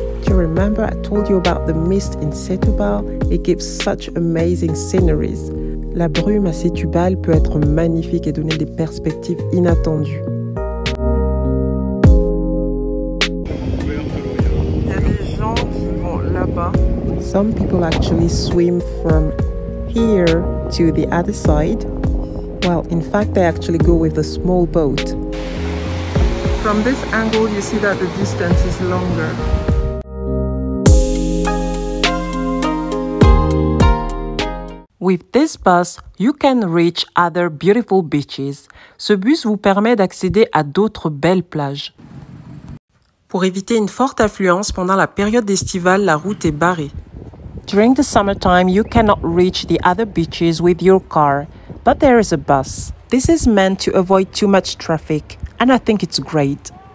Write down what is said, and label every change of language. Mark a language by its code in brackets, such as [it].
[en] Remember, I told you about the mist in Setúbal. It gives such amazing sceneries. [fr] La brume à Setúbal peut être magnifique et donner des perspectives inattendues. Il y a des gens qui vont là-bas. [en] Some people actually swim from here to the other side. Well, in fact, they actually go with a small boat. From this angle, you see that the distance is longer. With this bus, you can reach other beautiful beaches. [fr] Ce bus vous permet d'accéder à d'autres belles plages. Pour éviter une forte affluence pendant la période estivale, la route est barrée. [en] During the summertime, you cannot reach the other beaches with your car, but there is a bus. This is meant to avoid too much traffic, and I think it's great.